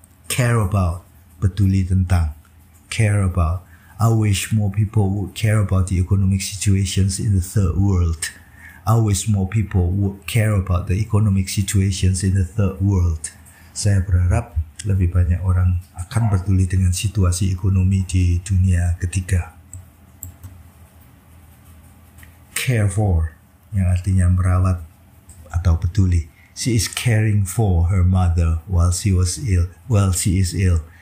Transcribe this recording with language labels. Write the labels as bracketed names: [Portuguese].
[English] Care about, [Indonesian] peduli tentang. [English] Care about. I wish more people would care about the economic situations in the third world. I wish more people would care about the economic situations in the third world. [Indonesian] Saya berharap lebih banyak orang akan peduli dengan situasi ekonomi di dunia ketiga. Care for, yang artinya merawat atau peduli. [English] She is caring for her mother while she was ill. Well, she is ill.